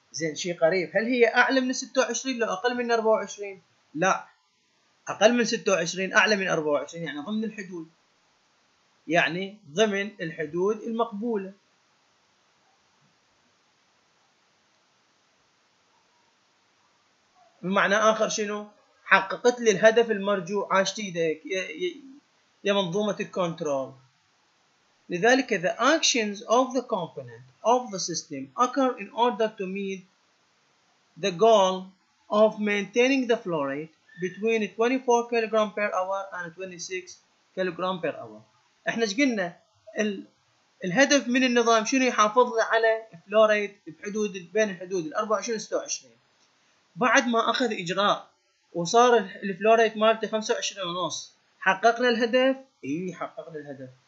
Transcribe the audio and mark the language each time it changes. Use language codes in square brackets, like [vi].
[ar] زين شيء قريب، هل هي اعلى من 26 لو اقل من 24؟ لا، اقل من 26 اعلى من 24، يعني ضمن الحدود، يعني ضمن الحدود المقبوله. بمعنى اخر شنو؟ حققت لي الهدف المرجو، عاشت ايدك يا منظومة الكنترول. لذلك [en] the actions of the component of the system occur in order to meet the goal of maintaining the flow rate between 24 kilogram per hour and 26 kilogram per hour. [ar] احنا شقلنا الهدف من النظام شنو؟ يحافظ لي على flow rate بحدود بين الحدود 24-26. بعد ما اخذ اجراء وصار الفلوريت مالته 25.5، حققنا الهدف؟ اي حققنا الهدف.